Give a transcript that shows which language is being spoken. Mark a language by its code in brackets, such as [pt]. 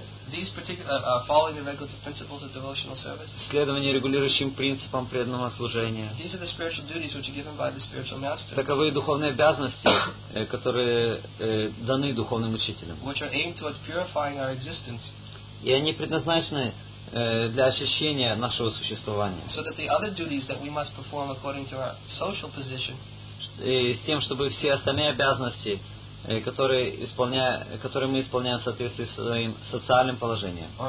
[en] these particular following the regulative principles of devotional service. [ru] Следование регулирующим принципам преданного служения. [en] These are the spiritual duties which are given by the spiritual master. [ru] Таковы духовные обязанности, которые даны духовным учителем. [en] Which are aimed towards purifying our existence. [ru] И они предназначены для очищения нашего существования. [en] So that the other duties that we must perform according to our social position. [ru] И с тем, чтобы все остальные обязанности, которые мы исполняем в соответствии со своим социальным положением.